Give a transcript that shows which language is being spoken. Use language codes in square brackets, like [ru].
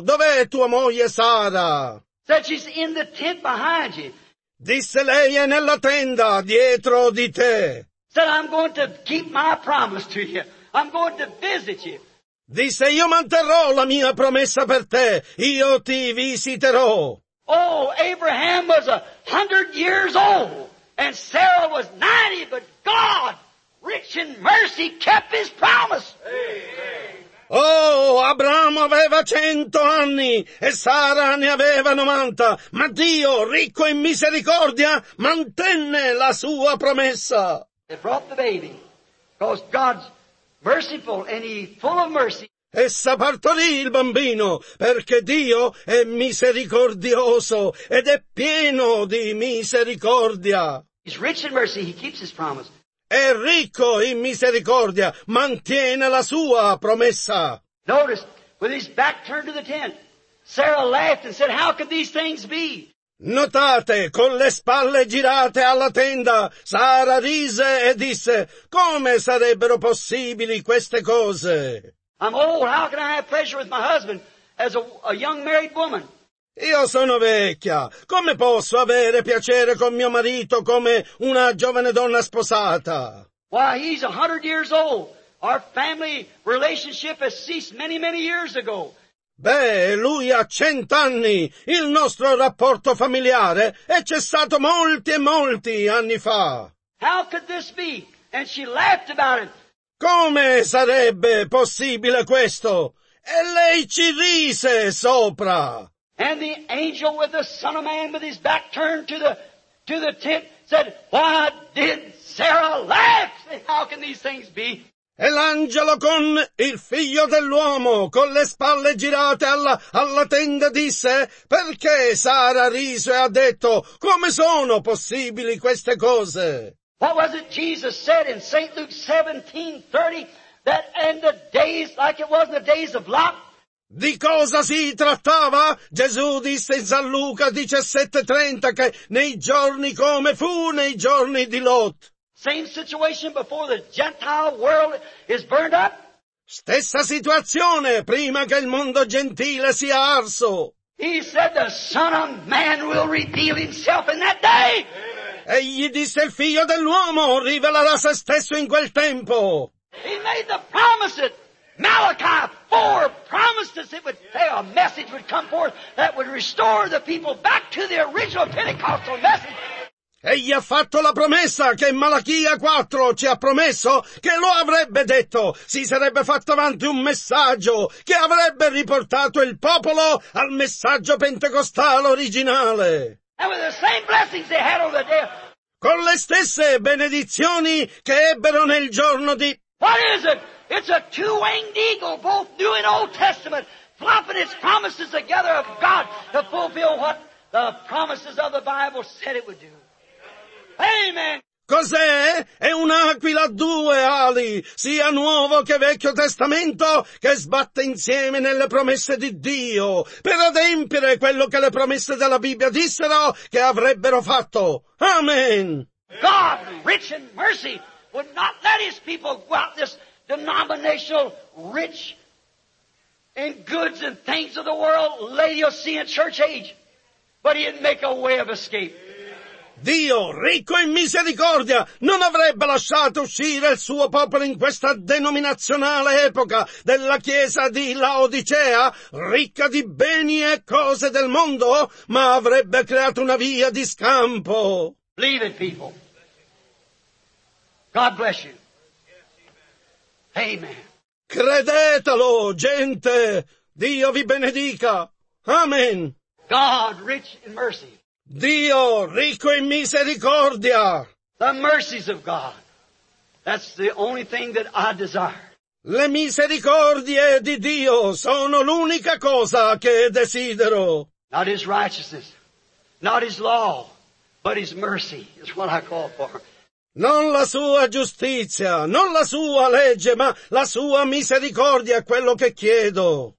[it] Dov'è tua moglie Sara? [en] Said she's in the tent behind you. [it] Disse lei è nella tenda dietro di te. [en] Said I'm going to keep my promise to you. I'm going to visit you. [it] Disse io manterrò la mia promessa per te. Io ti visiterò. [en] Oh, Abraham was 100 years old. And Sarah was 90, but God, rich in mercy, kept his promise. [it] Oh, Abramo aveva 100 anni e Sara ne aveva 90, ma Dio, ricco in misericordia, mantenne la sua promessa. [en] They brought the baby, because God's merciful and he's full of mercy. [it] Essa partorì il bambino, perché Dio è misericordioso ed è pieno di misericordia. [en] He's rich in mercy, he keeps his promise. [it] È ricco in misericordia, mantiene la sua promessa. [en] Notice, with his back turned to the tent, Sarah laughed and said, how could these things be? [it] Notate, con le spalle girate alla tenda, Sara rise e disse, come sarebbero possibili queste cose? [en] I'm old, how can I have pleasure with my husband as a young married woman? [it] Io sono vecchia, come posso avere piacere con mio marito come una giovane donna sposata? [en] Why, he's 100 years old. Our family relationship has ceased many, many years ago. [it] Beh, lui ha 100 anni. Il nostro rapporto familiare è cessato molti e molti anni fa. [en] How could this be? And she laughed about it. [it] Come sarebbe possibile questo? E lei ci rise sopra. [en] And the angel with the son of man with his back turned to the tent said, why did Sarah laugh? How can these things be? [it] E l'angelo con il figlio dell'uomo, con le spalle girate alla tenda, disse, perché Sara rise e ha detto, come sono possibili queste cose? [en] What was it Jesus said in St. Luke 17:30, that in the days, like it was in the days of Lot? [it] Di cosa si trattava? Gesù disse in San Luca 17:30 che nei giorni come fu nei giorni di Lot. [en] Same situation before the Gentile world is burned up. [it] Stessa situazione prima che il mondo gentile sia arso. [en] He said the Son of Man will reveal himself in that day. [it] Egli disse il figlio dell'uomo rivelerà se stesso in quel tempo. [en] He made the promise that Malachi 4 promised us it would, a message would come forth that would restore the people back to the original Pentecostal message. [it] Egli ha fatto la promessa che Malachia 4 ci ha promesso che lo avrebbe detto. Si sarebbe fatto avanti un messaggio che avrebbe riportato il popolo al messaggio pentecostale originale. [en] And with the same blessings they had on the day. [it] Con le stesse benedizioni che ebbero nel giorno di... [en] What is it? It's a two-winged eagle, both New and Old Testament, flopping its promises together of God to fulfill what the promises of the Bible said it would do. Amen. [it] Cos'è? È un'aquila a due ali, sia Nuovo che Vecchio Testamento, che sbatte insieme nelle promesse di Dio, per adempiere quello che le promesse della Bibbia dissero che avrebbero fatto. Amen. [en] God, rich in mercy, would not let his people go out this denominational rich in goods and things of the world, Laodicean church age, but he'd make a way of escape. [it] Dio, ricco in misericordia, non avrebbe lasciato uscire il suo popolo in questa denominazionale epoca della chiesa di Laodicea, ricca di beni e cose del mondo, ma avrebbe creato una via di scampo. [en] Believe it, people. God bless you. Amen. [it] Credetelo, gente. Dio vi benedica. Amen. [en] God, rich in mercy. [it] Dio, ricco in misericordia. [en] The mercies of God. That's the only thing that I desire. [it] Le misericordie di Dio sono l'unica cosa che desidero. [en] Not his righteousness, not his law, but his mercy is what I call for. [it] Non la sua giustizia, non la sua legge, ma la sua misericordia è quello che chiedo.